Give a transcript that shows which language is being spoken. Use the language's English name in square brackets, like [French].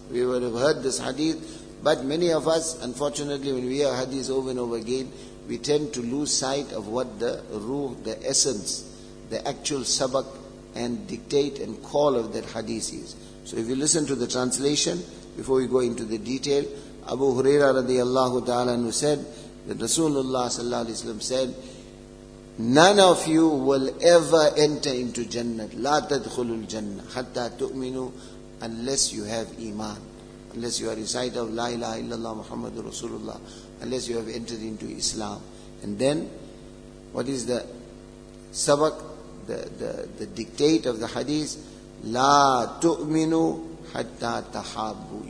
[English] We would have heard this hadith. But many of us, unfortunately, when we hear hadith over and over again, we tend to lose sight of what the ruh, the essence, the actual sabak and dictate and call of that hadith is. So if you listen to the translation, before we go into the detail, Abu Huraira radiallahu ta'ala anhu said, that Rasulullah sallallahu alayhi wa sallam said, none of you will ever enter into Jannah. [Arabic] لا تدخلوا الجنة حتى تؤمنوا, [English] unless you have iman. Unless you are recited of La ilaha illallah Muhammadur Rasulullah, unless you have entered into Islam. And then, what is the sabak, the dictate of the hadith? [Arabic] La tu'minu hatta tahabu.